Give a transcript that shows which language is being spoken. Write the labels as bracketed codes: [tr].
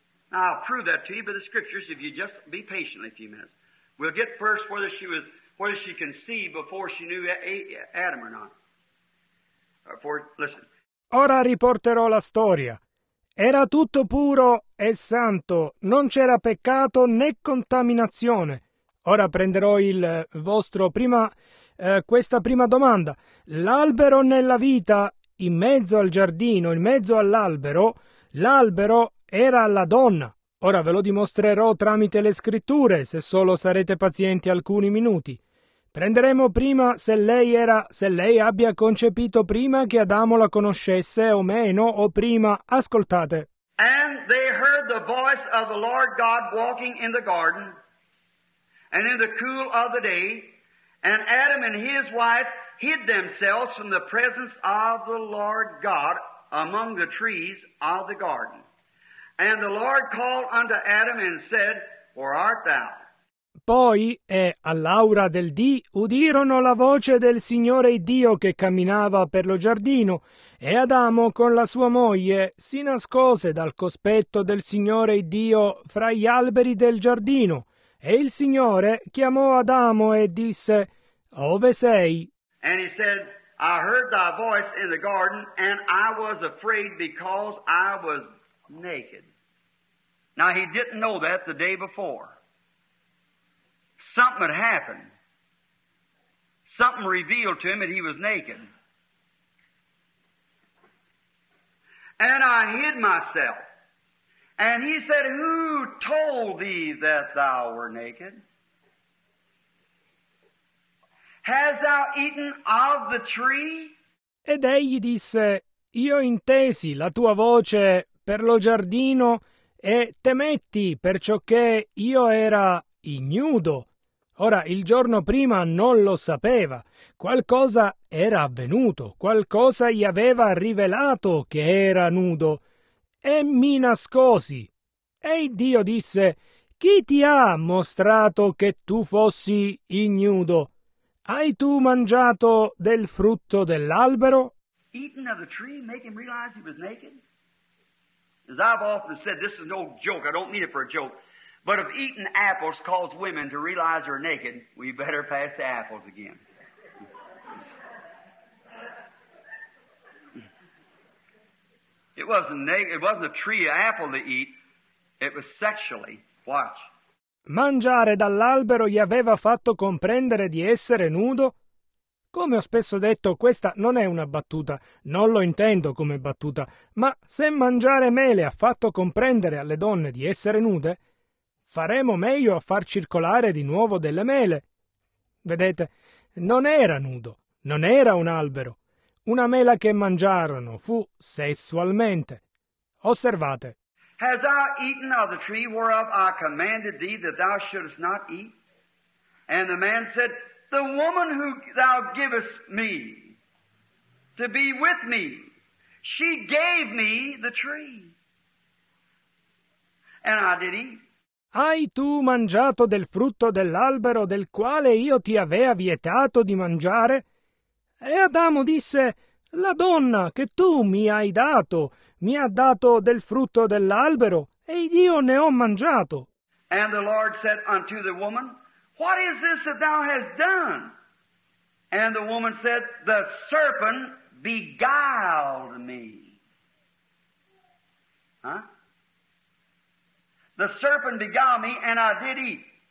[en] Now, I'll prove that to you by the scriptures, if you just be patient a few minutes. We'll get first whether she conceived before she knew Adam or not. Listen. [it] Ora riporterò la storia. Era tutto puro e santo, non c'era peccato né contaminazione. Ora prenderò il vostro prima... questa prima domanda. L'albero nella vita, in mezzo al giardino, in mezzo all'albero, l'albero era la donna. Ora ve lo dimostrerò tramite le scritture, se solo sarete pazienti alcuni minuti. Prenderemo prima se lei abbia concepito prima che Adamo la conoscesse o meno, o prima. Ascoltate. [en] And they heard the voice of the Lord God walking in the garden, and in the cool of the day. And Adam and his wife hid themselves from the presence of the Lord God among the trees of the garden. And the Lord called unto Adam and said, Where art thou? [it] Poi, e all'aura del dì, udirono la voce del Signore Dio che camminava per lo giardino, e Adamo con la sua moglie si nascose dal cospetto del Signore Dio fra gli alberi del giardino. E il Signore chiamò Adamo e disse, Ove sei? [en] And he said, I heard thy voice in the garden, and I was afraid because I was naked. Now he didn't know that the day before. Something had happened. Something revealed to him that he was naked. And I hid myself. And he said, Who told thee that thou were naked? Hast thou eaten of the tree? [it] Ed egli disse, Io intesi la tua voce per lo giardino e temetti perciò che io era ignudo. Ora, il giorno prima non lo sapeva. Qualcosa era avvenuto. Qualcosa gli aveva rivelato che era nudo. e mi nascosi. E Dio disse, chi ti ha mostrato che tu fossi ignudo? Hai tu mangiato del frutto dell'albero? [en] Eaten of the tree, make him realize he was naked? As I've often said, this is no joke, I don't mean it for a joke, but if eating apples cause women to realize they're naked, we better pass the apples again. It wasn't a tree, an apple to eat. It was sexually. Watch. [it] Mangiare dall'albero gli aveva fatto comprendere di essere nudo? Come ho spesso detto, questa non è una battuta. Non lo intendo come battuta. Ma se mangiare mele ha fatto comprendere alle donne di essere nude, faremo meglio a far circolare di nuovo delle mele. Vedete, non era nudo. Non era un albero. Una mela che mangiarono fu sessualmente. Osservate. [en] Has thou eaten of the tree whereof I commanded thee that thou shouldest not eat? And the man said, the woman who thou givest me to be with me, she gave me the tree. And I did eat. [it] Hai tu mangiato del frutto dell'albero del quale io ti avea vietato di mangiare? E Adamo disse, la donna che tu mi hai dato mi ha dato del frutto dell'albero e io ne ho mangiato. [en] And the Lord said unto the woman, what is this that thou hast done? And the woman said, the serpent beguiled me. Huh? The serpent beguiled me and I did eat.